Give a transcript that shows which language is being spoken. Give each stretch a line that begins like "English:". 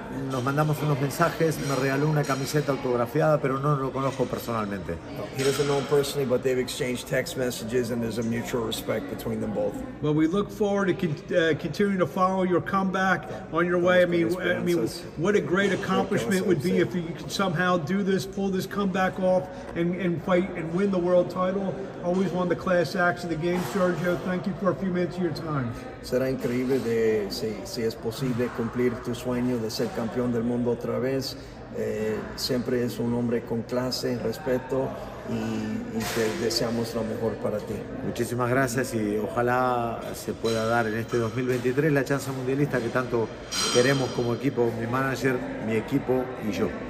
Spanish: Nos mandamos unos mensajes, me regaló una camiseta autografiada, pero no lo conozco personalmente.
English: No, he doesn't know him personally, but they've exchanged text messages and there's a mutual respect between them both. Well, we look forward to continuing to follow your comeback on your way. I mean, what a great accomplishment would be if you could somehow do this, pull this comeback off, and fight and win the world title. Always won the class acts of the game, Sergio. Thank you for a few minutes of your time.
Spanish: Será increíble de si es posible cumplir tu sueño de ser campeón del mundo otra vez. Siempre es un hombre con clase, respeto y te deseamos lo mejor para ti. Muchísimas gracias y ojalá se pueda dar en este 2023 la chance mundialista que tanto queremos como equipo, mi manager, mi equipo y yo.